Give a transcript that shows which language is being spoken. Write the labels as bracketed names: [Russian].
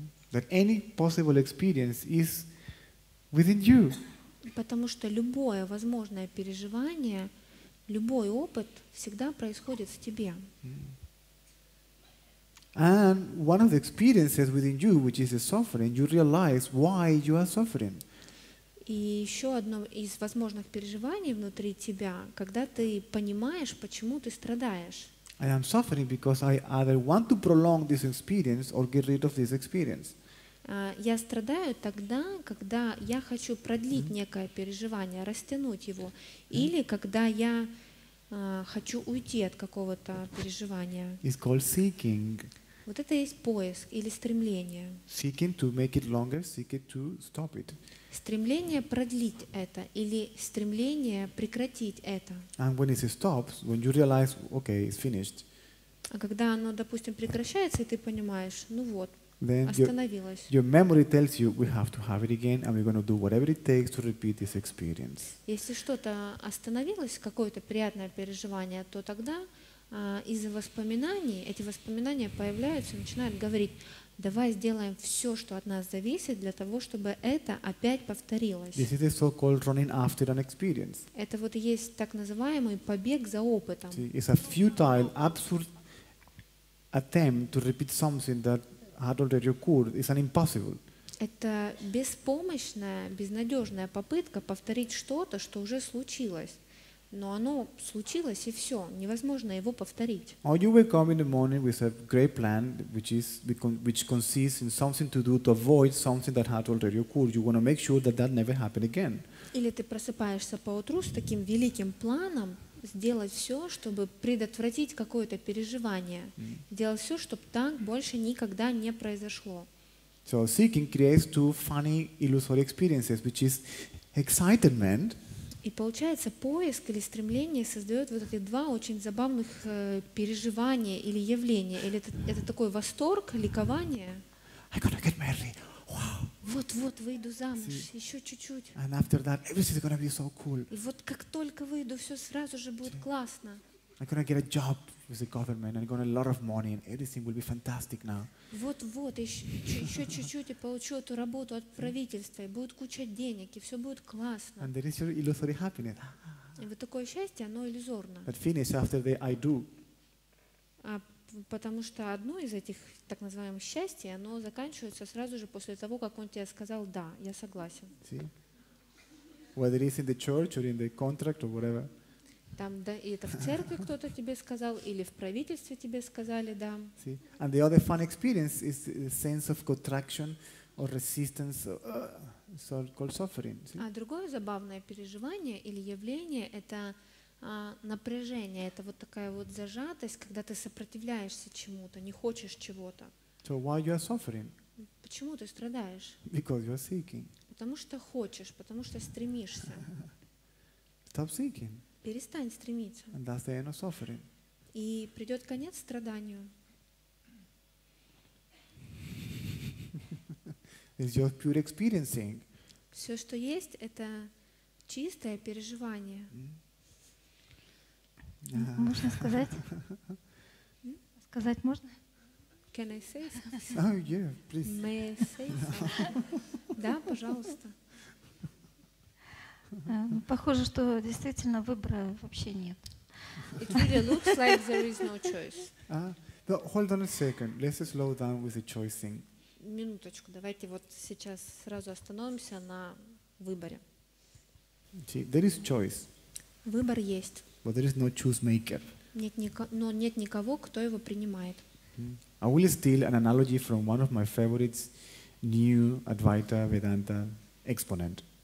[English] That any possible experience is within you. [Russian] Потому что любое возможное переживание, любой опыт всегда происходит в тебе. [English] And one of the experiences within you, which is the suffering, you realize why you are suffering. [Russian] И еще одно из возможных переживаний внутри тебя, когда ты понимаешь, почему ты страдаешь. [English] I am suffering because I either want to prolong this experience or get rid of this experience. [Russian] Я страдаю тогда, когда я хочу продлить некое переживание, растянуть его, или когда я хочу уйти от какого-то переживания. [English] It's called seeking. [Russian] Вот это есть поиск или стремление. [English] Seeking to make it longer, seeking to stop it. [Russian] Стремление продлить это или стремление прекратить это. [English] And when it stops, when you realize, okay, it's finished. [Russian] А когда оно, допустим, прекращается, и ты понимаешь, ну вот, [English] then your memory tells you we have to have it again, and we're going to do whatever it takes to repeat this experience. [Russian] Если что-то остановилось, какое-то приятное переживание, то тогда из-за воспоминаний эти воспоминания появляются и начинают говорить: давай сделаем все, что от нас зависит, для того, чтобы это опять повторилось. [English] This is the so-called running after an experience. [Russian] Это вот есть так называемый побег за опытом. [English] It's a futile, absurd attempt to repeat something that had already occurred. It's an impossible. [Russian] Это беспомощная, безнадежная попытка повторить что-то, что уже случилось. Но оно случилось, и все, невозможно его повторить. [English] Or you wake up in the morning with a great plan, which consists in something to do to avoid something that had already occurred. You want to make sure that that never happened again. [Russian] Или ты просыпаешься поутру с таким великим планом сделать все, чтобы предотвратить какое-то переживание, делать все, чтобы так больше никогда не произошло. [English] So seeking creates two funny illusory experiences, which is excitement. [Russian] И получается, поиск или стремление создает вот эти два очень забавных переживания или явления. Или это такой восторг, ликование. [English] I'm gonna get married. Wow. [Russian] Вот-вот выйду замуж, [English] see? [Russian] Еще чуть-чуть. [English] And after that, everything's gonna be so cool. [Russian] И вот как только выйду, все сразу же будет [English] see? [Russian] Классно. [English] I'm gonna get a job with the government, I'm gonna get a lot of money, and everything will be fantastic now. [Russian] Вот-вот, еще чуть-чуть и получу эту работу от правительства, и будет куча денег, и все будет классно. [English] And there is your illusory happiness. [Russian] И вот такое счастье, оно иллюзорно. [English] But finish after the I do. [Russian] Потому что одно из этих так называемых счастья, оно заканчивается сразу же после того, как он тебе сказал «да, я согласен». [English] See? Whether it's in the church or in the contract or whatever. [Russian] Там, да, и это в церкви кто-то тебе сказал, или в правительстве тебе сказали, да. [English] See? And the other fun experience is the sense of contraction or resistance, so-called suffering. See? [Russian] А другое забавное переживание или явление – это напряжение, это вот такая вот зажатость, когда ты сопротивляешься чему-то, не хочешь чего-то. [English] So why you are suffering? [Russian] Почему ты страдаешь? [English] Because you are seeking. [Russian] Потому что хочешь, потому что стремишься. [English] Stop seeking. [Russian] Перестань стремиться. [English] And that's the end of suffering. [Russian] И придет конец страданию. [English] It's just pure experiencing. [Russian] Все, что есть, это чистое переживание. Можно сказать? Сказать можно? [English] Can I say something? Oh, yeah, please. May I say something? [Russian] Да, пожалуйста. Похоже, что действительно выбора вообще нет. [English] It really looks like there is no choice. Hold on a second. Let's slow down with the choice thing. [Russian] Минуточку. Давайте вот сейчас сразу остановимся на выборе. [English] See, there is choice. [Russian] Выбор есть. [English] But there is no choose maker. [Russian] Но нет никого, кто его принимает. [English] I will steal an analogy from one of my favorites, new Advaita Vedanta exponent.